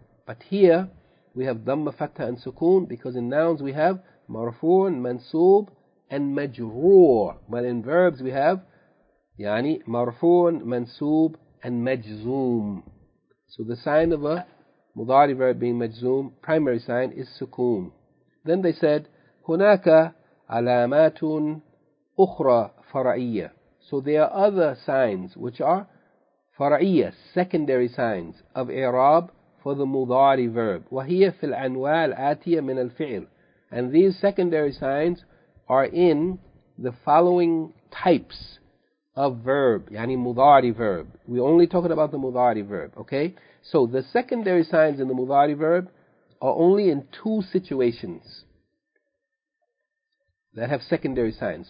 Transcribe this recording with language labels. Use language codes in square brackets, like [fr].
[en] But here we have dhamma, fatha, and sukoon because in nouns we have marfoon, mansoob, and majroor. But in verbs we have yani marfoon, mansoob, and majzoom. So the sign of a mudari verb being majzoom, primary sign is sukoon. Then they said, [ar] هناك علامات أخرى فرعية. [en] So there are other signs which are فرعية, secondary signs of إعراب for the mudari verb. [ar] وهي في الأنواع الآتية من الفعل. [en] And these secondary signs are in the following types of verb, yani mudari verb. We're only talking about the mudari verb, okay? So the secondary signs in the mudari verb are only in two situations that have secondary signs.